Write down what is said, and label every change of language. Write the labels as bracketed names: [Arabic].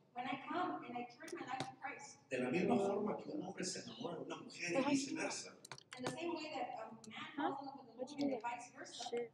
[English] when I come and I turn my life to Christ, [Spanish] de la misma forma que un hombre se enamora de una mujer y viceversa, [English] in the same way that a man falls in love with a woman and vice versa,